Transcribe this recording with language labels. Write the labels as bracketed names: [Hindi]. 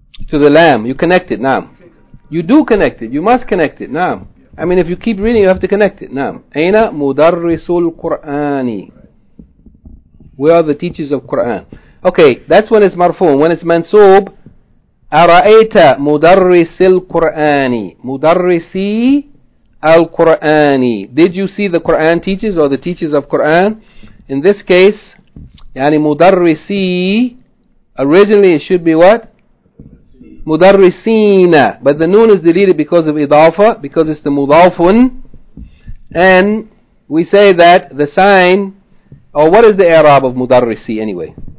[English] To the lamb, you connect it, naam. You do connect it, you must connect it, naam. I mean, if you keep reading, you have to connect it, naam. [Arabic] Aina mudarrisul Qur'ani. [English] We are the teachers of Quran. Okay, that's when it's marfu. When it's mansub, [Arabic] أَرَأَيْتَ مُدَرِّسِ الْقُرْآنِ مُدَرِّسِ الْقُرْآنِ. [English] Did you see the Quran teachers or the teachers of Quran? In this case, يعني مُدَرِّسِ, originally it should be what? [Arabic] مُدَرِّسِينَ. [English] But the noon is deleted because of إضافة, because it's the مُضَافٌ. And we say that the sign, or what is the إعراب of مُدَرِّسِ anyway?